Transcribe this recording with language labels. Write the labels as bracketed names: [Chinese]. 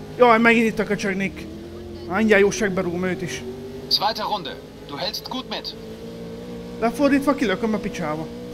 [Hungarian] Jaj, megint itt a köcsög Nick. Mindjárt jóságbe rúgom őt is. [German] Zweite Runde. Du hältst gut mit. [Hungarian] Lefordítva kilököm a picsába.